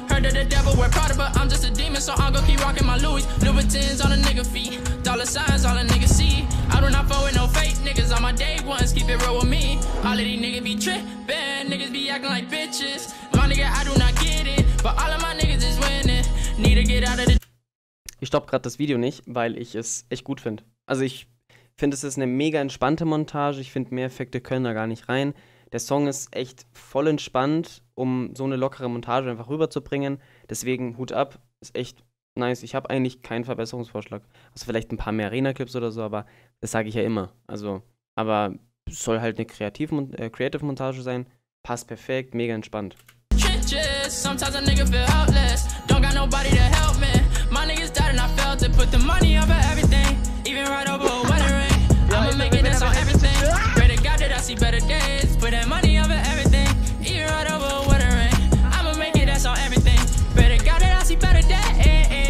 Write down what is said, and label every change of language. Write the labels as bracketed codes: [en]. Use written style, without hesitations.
[en] Heard of the devil, we're proud of, but I'm just a demon, so I'm gon' keep rocking my Louis. Louboutins on a nigga feet. Dollar signs, all a nigga see. I do not fuck with no fake niggas. All my day ones, keep it real with me. All of these niggas be trippin'. Niggas be acting like bitches. My nigga, I do not get it. But all of my niggas is winning. Need to get out of the. [de] Ich stopp grad das Video nicht, weil ich es echt gut find. Also ich finde, es ist eine mega entspannte Montage. Ich finde, mehr Effekte können da gar nicht rein. Der Song ist echt voll entspannt, um so eine lockere Montage einfach rüberzubringen. Deswegen Hut ab, ist echt nice. Ich habe eigentlich keinen Verbesserungsvorschlag. Also vielleicht ein paar mehr Arena-Clips oder so, aber das sage ich ja immer. Also, aber soll halt eine Creative-Montage sein. Passt perfekt, mega entspannt. [en] Sometimes a nigga feel helpless. Don't got nobody to help me. My niggas died and I felt it. Put the money over everything. Even right over a wedding ring. I'ma make it this on everything. Pray to God that I see better days. Put that money over everything. Even right over a wedding ring. I'ma make it this on everything. Pray to God that I see better days.